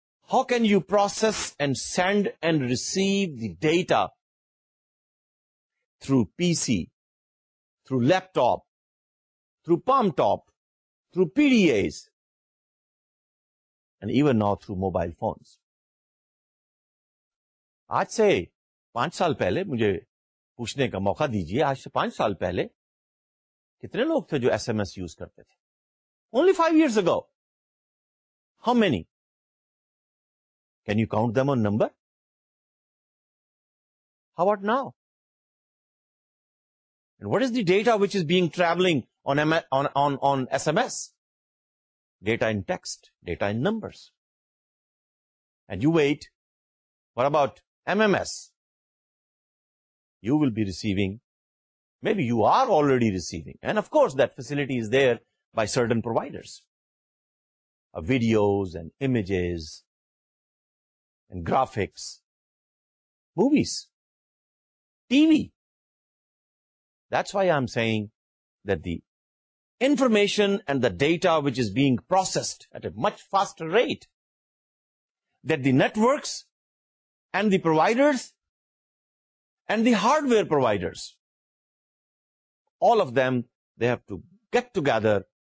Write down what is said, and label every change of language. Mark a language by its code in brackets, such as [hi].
[en] How can you process and send and receive the data through PC, through laptop, through palm top, through PDAs, and even now through mobile phones. [ur] آج سے پانچ سال پہلے مجھے پوچھنے کا موقع دیجئے آج سے پانچ سال پہلے کتنے لوگ تھے جو ایس ایم ایس یوز کرتے تھے [en] Only five years ago how many can you count them on number how what now and what is the data which is being travelling on S M S data in text data in numbers and you wait what about MMS, you will be receiving, maybe you are already receiving, and of course that facility is there by certain providers, videos and images and graphics, movies, TV. That's why I'm saying that the information and the data which is being processed at a much faster rate, that the networks and the providers and the hardware providers, all of them, they have to get together.